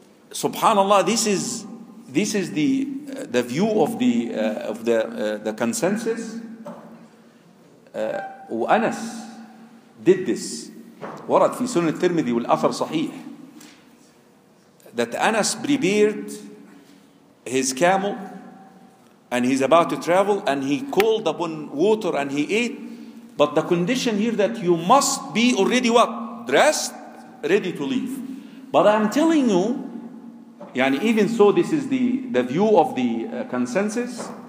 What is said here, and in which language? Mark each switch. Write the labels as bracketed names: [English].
[English] Subhanallah, this is the view of the consensus. Anas did this. [Arabic] ورد في سنن الترمذي والأثر صحيح. [English] That Anas prepared his camel and he's about to travel and he called upon water and he ate. But the condition here that you must be already what? Dressed, ready to leave. But I'm telling you, yani even so, this is the view of the consensus.